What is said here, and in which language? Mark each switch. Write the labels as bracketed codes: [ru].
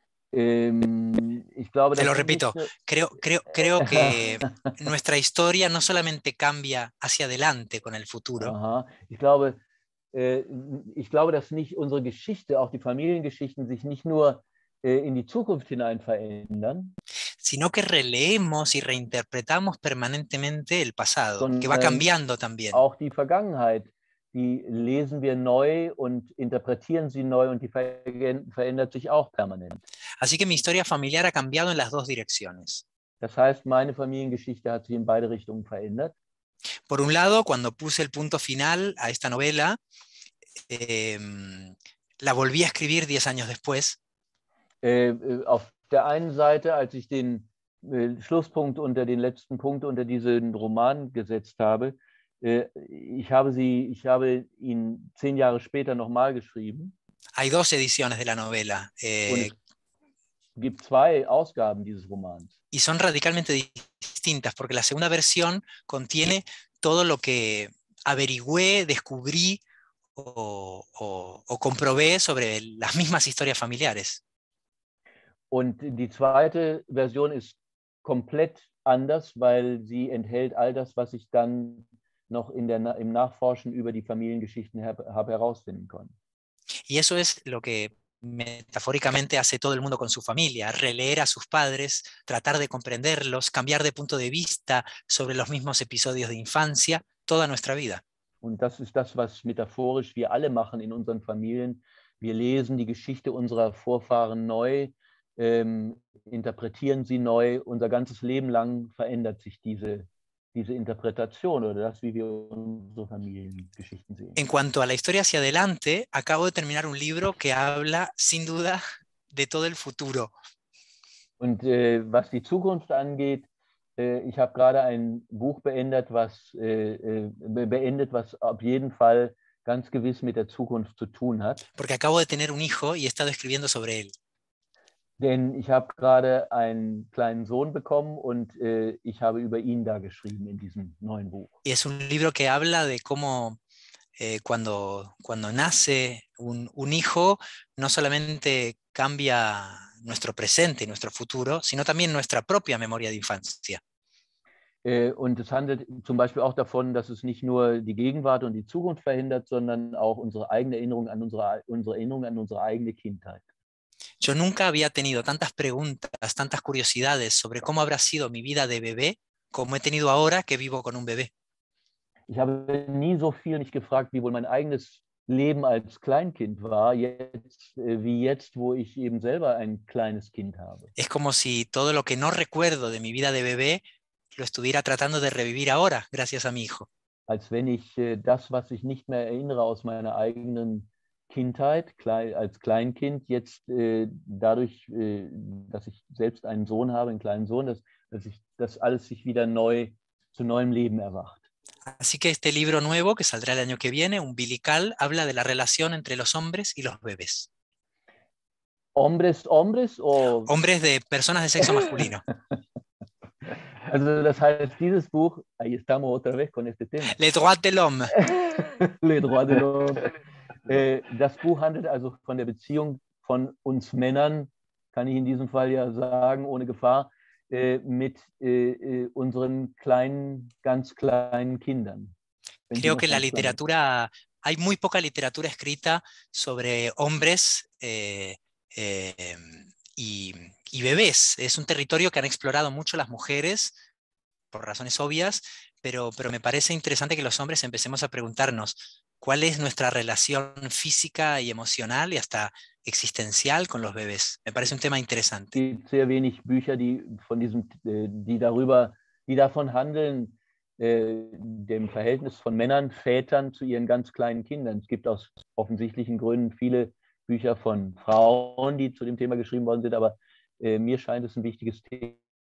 [es] Creo que nuestra historia no solamente cambia hacia adelante con el futuro. [de] Ich glaube, dass nicht unsere Geschichte, auch die Familiengeschichten, sich nicht nur in die Zukunft hinein verändern, [es] sino que releemos y reinterpretamos permanentemente el pasado, que va cambiando también. [de] Auch die Vergangenheit, die lesen wir neu und interpretieren sie neu und die verändert sich auch permanent. [es] Así que mi historia familiar ha cambiado en las dos direcciones. [de] Das heißt, meine Familiengeschichte hat sich in beide Richtungen verändert. [es] Por un lado, cuando puse el punto final a esta novela, la volví a escribir 10 años después. [de] Auf der einen Seite, als ich den Schlusspunkt unter den letzten Punkt unter diesen Roman gesetzt habe, ich habe ihn 10 Jahre später nochmal geschrieben. [es] Hay dos ediciones de la novela. [de] Es gibt 2 Ausgaben dieses Romans. [es] Y son radicalmente distintas, porque la segunda versión contiene todo lo que averigüé, descubrí o comprobé sobre las mismas historias familiares. [de] Und die zweite Version ist komplett anders, weil sie enthält all das, was ich dann noch in der, im Nachforschen über die Familiengeschichten habe herausfinden können. [es] Y eso es lo que metafóricamente hace todo el mundo con su familia, releer a sus padres, tratar de comprenderlos, cambiar de punto de vista sobre los mismos episodios de infancia, toda nuestra vida. [de] Und das ist das, was metaphorisch wir alle machen in unseren Familien. Wir lesen die Geschichte unserer Vorfahren neu, interpretieren sie neu. Unser ganzes Leben lang verändert sich diese Interpretation oder das, wie wir unsere Familiengeschichten sehen. [es] En cuanto a la historia hacia adelante, acabo de terminar un libro que habla, sin duda, de todo el futuro. [de] Und was die Zukunft angeht, ich habe gerade ein Buch beendet, was auf jeden Fall ganz gewiss mit der Zukunft zu tun hat. [es] Porque acabo de tener un hijo y he estado escribiendo sobre él. [de] Denn ich habe gerade einen kleinen Sohn bekommen und ich habe über ihn da geschrieben in diesem neuen Buch. [es] Y es un libro que habla de cómo cuando nace un hijo, no solamente cambia nuestro presente, nuestro futuro, sino también nuestra propia memoria de infancia. [de] Und es handelt zum Beispiel auch davon, dass es nicht nur die Gegenwart und die Zukunft verhindert, sondern auch unsere eigene Erinnerung an unsere eigene Kindheit. [es] Yo nunca había tenido tantas preguntas, tantas curiosidades sobre cómo habrá sido mi vida de bebé como he tenido ahora que vivo con un bebé. [de] Ich habe nie so viel nicht gefragt, wie wohl mein eigenes Leben als Kleinkind war, wie jetzt, wo ich eben selber ein kleines Kind habe. [es] Es como si todo lo que no recuerdo de mi vida de bebé lo estuviera tratando de revivir ahora, gracias a mi hijo. [de] Als wenn ich das, was ich nicht mehr erinnere aus meiner eigenen Kindheit, als Kleinkind, jetzt dadurch, dass ich selbst einen Sohn habe, einen kleinen Sohn, dass alles sich wieder neu, zu neuem Leben erwacht. [es] Así que este libro nuevo, que saldrá el año que viene, Umbilical, habla de la relación entre los hombres y los bebés. ¿Hombres, hombres o...? Hombres de personas de sexo masculino. [de] Also, das heißt, dieses Buch, [es] ahí estamos otra vez con este tema. [fr] Les droits de l'homme. Les droits de l'homme. [de] Das Buch handelt also von der Beziehung von uns Männern, kann ich in diesem Fall ja sagen, ohne Gefahr, mit unseren kleinen, ganz kleinen Kindern. [es] Creo que la literatura, hay muy poca literatura escrita sobre hombres y bebés. Es un territorio que han explorado mucho las mujeres, por razones obvias, pero me parece interesante que los hombres empecemos a preguntarnos ¿cuál es nuestra relación física y emocional y hasta existencial con los bebés? Me parece un tema interesante. [de] Es gibt sehr wenig Bücher, die davon handeln, dem Verhältnis von Männern, Vätern zu ihren ganz kleinen Kindern. Es gibt aus offensichtlichen Gründen viele Bücher von Frauen, die zu dem Thema geschrieben worden sind, aber mir scheint es ein wichtiges Thema.